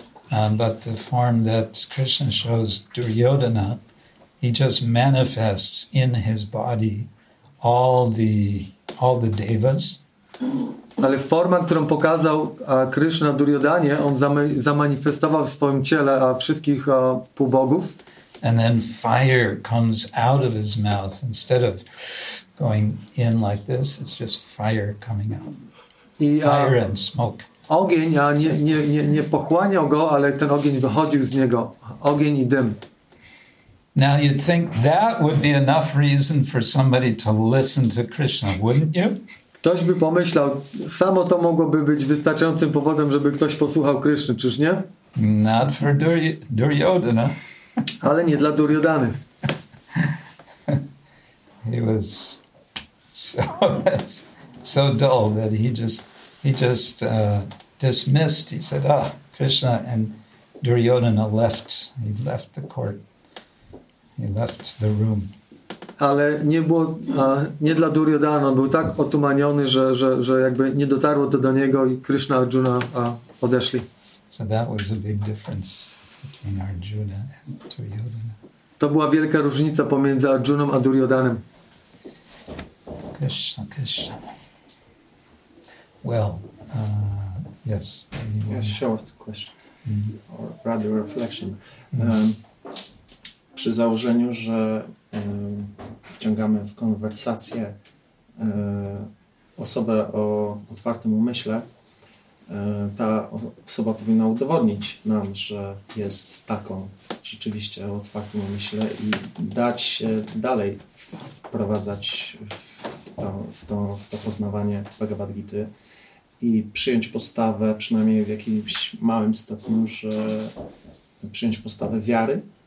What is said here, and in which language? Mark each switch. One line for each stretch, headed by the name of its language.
English: But the form that Krishna shows Duryodhana, he just manifests in his body all the devas.
Polish: Ale forma, którą pokazał Krishna Duryodhanie, on zamanifestował w swoim ciele wszystkich półbogów.
English: And then fire comes out of his mouth instead of going in like this. It's just fire coming out. Fire and smoke.
Polish: Ogień, a nie pochłaniał go, ale ten ogień wychodził z niego. Ogień i dym.
English: Now you'd think that would be enough reason for somebody to listen to Krishna, wouldn't you?
Polish: Ktoś by pomyślał, samo to mogłoby być wystarczającym powodem, żeby ktoś posłuchał Kryszny, czyż nie?
English: Not for Duryodhana.
Polish: Ale nie dla Duryodhany.
English: He was so dull that he just dismissed. He said, "Ah, Krishna," and Duryodhana left. He left the court. He left the room.
Polish: Ale nie było nie dla Duryodhana. On był tak otumaniony, że jakby nie dotarło to do niego i Krishna Arjuna odeszli.
English: So that was a big difference between Arjuna and Duryodhana.
Polish: To była wielka różnica pomiędzy Arjuną a Duryodhanem.
English: Krishna, Krishna. Well, yes. A short question, or rather reflection.
Polish: Przy założeniu, że wciągamy w konwersację osobę o otwartym umyśle, ta osoba powinna udowodnić nam, że jest taką rzeczywiście o otwartym umyśle i dać się dalej wprowadzać w to poznawanie Bhagavad Gita i przyjąć postawę, przynajmniej w jakimś małym stopniu, że przyjąć postawę wiary.